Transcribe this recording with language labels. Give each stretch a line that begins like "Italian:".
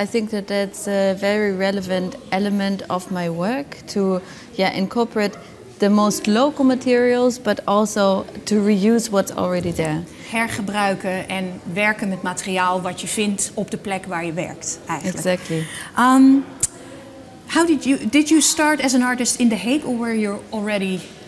English: I think that's a very relevant element of my work to incorporate the most local materials, but also to reuse what's already there.
Dutch: Hergebruiken en werken met materiaal wat je vindt op de plek waar je werkt, eigenlijk.
English: Exactly. How did you start as an artist in The Hague, or were you already